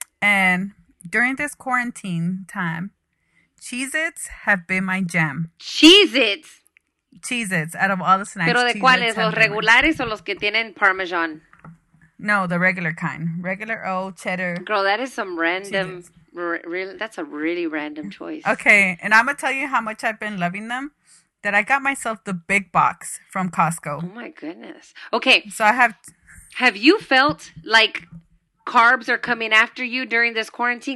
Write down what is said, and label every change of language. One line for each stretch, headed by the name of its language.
English: And during this quarantine time, Cheez-Its have been my jam. Cheez-Its? Cheez-Its, out of all the snacks.
Spanish: Pero de cuáles, los regulares o los que tienen Parmesan?
English: No, the regular kind. Regular old cheddar. Girl, that is some random, that's a really random choice. Okay, and I'm going to tell you how much I've been loving them. That I got myself the big box from Costco. Oh my goodness. Okay. So I have. Have you felt like carbs are coming after you during this quarantine?